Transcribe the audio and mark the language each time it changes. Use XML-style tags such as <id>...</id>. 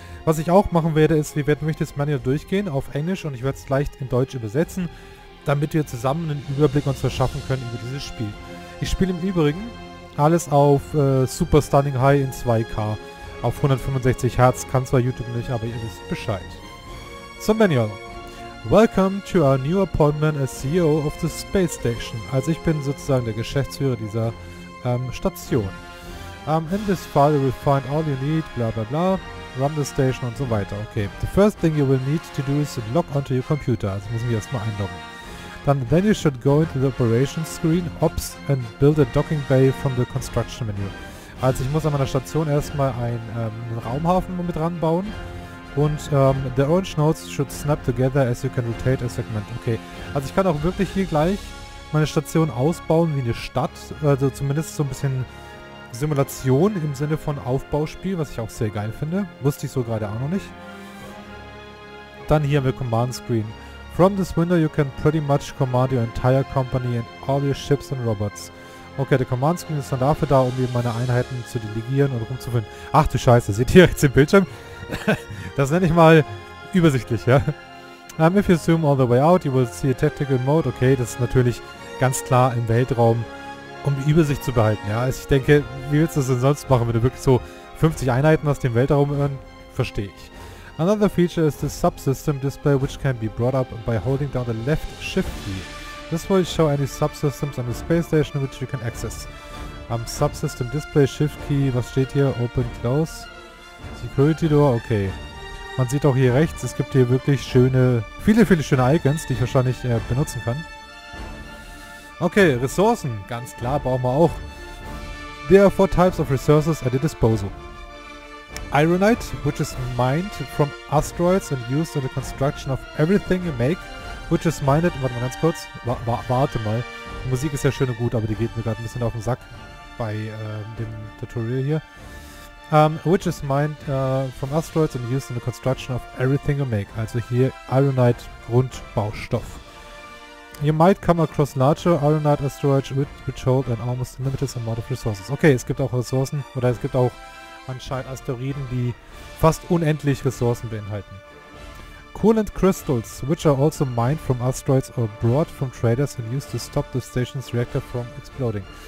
<de>Was ich auch machen werde, ist, wir werden nämlich das Manual durchgehen auf Englisch und ich werde es gleich in Deutsch übersetzen, damit wir zusammen einen Überblick uns verschaffen können über dieses Spiel. Ich spiele im Übrigen alles auf Super Stunning High in 2K. Auf 165 Hertz. Kann zwar YouTube nicht, aber ihr wisst Bescheid. So, Manuel.</de> <en>Welcome to our new appointment as CEO of the Space Station.</en> <de>Also ich bin sozusagen der Geschäftsführer dieser Station.</de> <en>In this file you will find all you need, bla bla bla. Run the station</en> <de>und so weiter.</de> <en>Okay. The first thing you will need to do is to log onto your computer.</en> <de>Also müssen wir erstmal einloggen.</de> <en>Then you should go into the operations screen, ops, and build a docking bay from the construction menu.</en> <de>Also ich muss an meiner Station erstmal einen Raumhafen mit ranbauen. Und</de> <en>the orange nodes should snap together as you can rotate a segment.</en> <de>Okay, also ich kann auch wirklich hier gleich meine Station ausbauen wie eine Stadt. Also zumindest so ein bisschen Simulation im Sinne von Aufbauspiel, was ich auch sehr geil finde. Wusste ich so gerade auch noch nicht. Dann hier haben wir Command Screen.</de> <en>From this window you can pretty much command your entire company and all your ships and robots.</en> <de>Okay, der Command Screen ist dann dafür da, um eben meine Einheiten zu delegieren und rumzufinden. Ach du Scheiße, seht ihr jetzt den Bildschirm? Das nenne ich mal übersichtlich, ja.</de> <en>If you zoom all the way out, you will see a tactical mode.</en> <de>Okay, das ist natürlich ganz klar im Weltraum, um die Übersicht zu behalten, ja. Also ich denke, wie willst du das denn sonst machen, wenn du wirklich so 50 Einheiten aus dem Weltraum hören? Verstehe ich.</de> <en>Another feature is the subsystem display, which can be brought up by holding down the left shift key. This will show any subsystems on the space station which you can access.</en> <de>Subsystem display shift key, was steht hier? Open, close. Security door, okay. Man sieht auch hier rechts, es gibt hier wirklich schöne, viele, viele schöne Icons, die ich wahrscheinlich benutzen kann. Okay, Ressourcen, ganz klar, brauchen wir auch.</de> <en>There are four types of resources at your disposal. Ironite, which is mined from asteroids and used in the construction of everything you make, which is mined...</en> <de>Warte mal ganz kurz. Warte mal. Die Musik ist ja schön und gut, aber die geht mir gerade ein bisschen auf den Sack bei dem Tutorial hier.</de> <en>Which is mined from asteroids and used in the construction of everything you make.</en> <de>Also hier Ironite Grundbaustoff.</de> <en>You might come across larger Ironite asteroids which hold an almost limited amount of resources.</en> <de>Okay, es gibt auch Ressourcen, oder es gibt auch anscheinend Asteroiden, die fast unendlich Ressourcen beinhalten.</de> <en>Coolant Crystals, which are also mined from asteroids or brought from traders and used to stop the station's reactor from exploding.</en>